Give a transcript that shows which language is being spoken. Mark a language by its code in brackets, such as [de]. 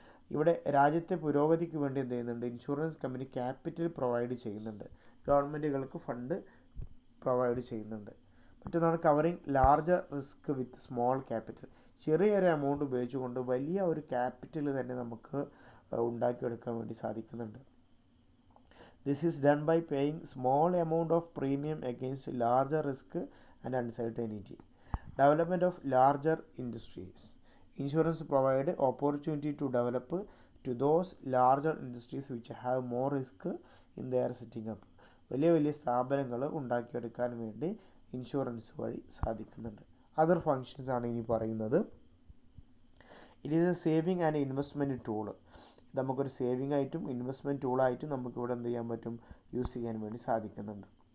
[ml] ഇവിടെ രാജ്യത്തെ പുരോഗതിക്ക് വേണ്ടി എന്ത് ചെയ്യുന്നുണ്ട്, ഇൻഷുറൻസ് കമ്പനി ക്യാപിറ്റൽ പ്രൊവൈഡ് ചെയ്യുന്നുണ്ട്, ഗവൺമെൻറ്റുകൾക്ക് ഫണ്ട് പ്രൊവൈഡ് ചെയ്യുന്നുണ്ട്. മറ്റൊന്നാണ് [en] Covering larger risk with small capital. [ml] ചെറിയൊരു എമൗണ്ട് ഉപയോഗിച്ചുകൊണ്ട് വലിയ ഒരു ക്യാപിറ്റൽ തന്നെ നമുക്ക് ഉണ്ടാക്കിയെടുക്കാൻ വേണ്ടി സാധിക്കുന്നുണ്ട്. [en] This is done by paying small amount of premium against larger risk and uncertainty. Development of larger industries. Insurance provide opportunity to develop to those larger industries which have more risk in their setting up. [ml] വലിയ വലിയ സ്ഥാപനങ്ങൾ ഉണ്ടാക്കിയെടുക്കാൻ വേണ്ടി insurance വഴി സാധിക്കുന്നുണ്ട്. [en] other functions [ml] ആണ് ഇനി പറയുന്നത്. [en] It is a saving and investment tool. [ml] നമുക്കൊരു സേവിങ് ആയിട്ടും ഇൻവെസ്റ്റ്മെൻറ്റ് ടൂളായിട്ടും നമുക്കിവിടെ എന്ത് ചെയ്യാൻ പറ്റും, യൂസ് ചെയ്യാൻ വേണ്ടി സാധിക്കുന്നുണ്ട്.